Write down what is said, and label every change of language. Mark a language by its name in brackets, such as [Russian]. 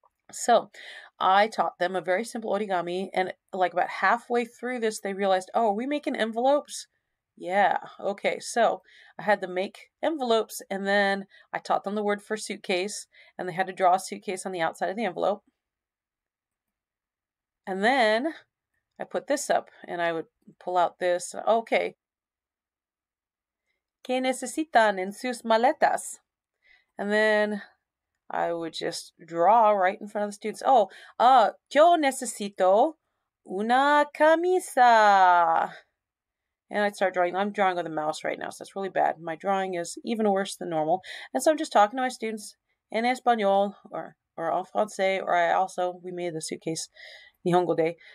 [English] So I taught them a very simple origami, and like about halfway through this, they realized, oh, are we making envelopes? Yeah. Okay. So I had them make envelopes, and then I taught them the word for suitcase, and they had to draw a suitcase on the outside of the envelope. And then I put this up and I would pull out this. Okay. [Spanish] ¿Qué necesitan en sus maletas? [English] And then I would just draw right in front of the students. [Spanish] Yo necesito una camisa. [English] And I'd start drawing. I'm drawing with a mouse right now, so that's really bad. My drawing is even worse than normal. And so I'm just talking to my students in Espanol or en Francais, or we made the suitcase Nihongo Day.